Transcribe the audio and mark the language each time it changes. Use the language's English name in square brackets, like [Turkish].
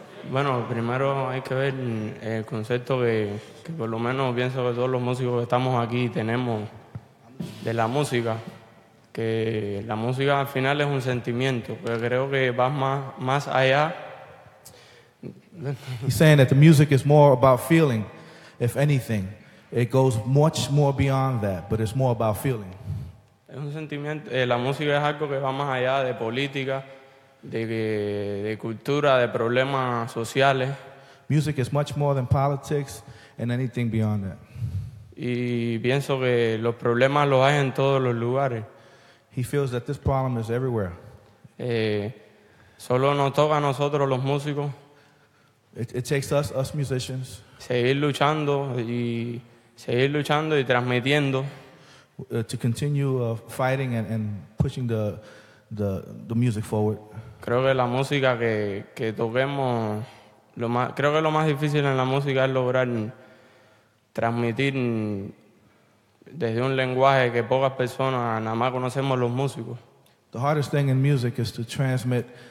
[Spanish] Bueno, primero hay que ver el concepto que por lo menos pienso que todos los músicos que estamos aquí tenemos de la música, que la música al final es un sentimiento, pero creo que va más allá. [English] He's saying that the music is more about feeling, if anything. It goes much more beyond that, but it's more about feeling. [Spanish] Es un sentimiento, la música es algo que va más allá de política, de cultura, de problemas sociales. [English] Music is much more than politics and anything beyond that. [Spanish] Y pienso que los problemas los hay en todos los lugares. [English] He feels that this problem is everywhere. [Spanish] Solo nos toca a nosotros los músicos. [English] It takes us musicians. [Spanish] Seguir luchando y transmitiendo. [English] To continue fighting and pushing the music forward. [Spanish] Creo que la música que toquemos, lo más difícil en la música es lograr transmitir desde un lenguaje que pocas personas, nada más conocemos los músicos. [English] The hardest thing in music is to transmit